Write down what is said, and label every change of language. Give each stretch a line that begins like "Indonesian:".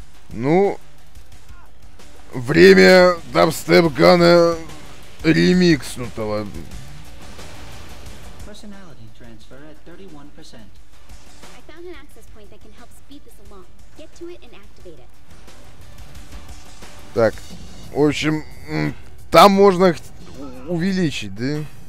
Russian: Ну, время дабстеп гана ремикснутого.
English: Personality transfer at 31%. I found an access point that can help speed this along. Get to it and activate it.
Russian: Так, в общем, там можно увеличить, да?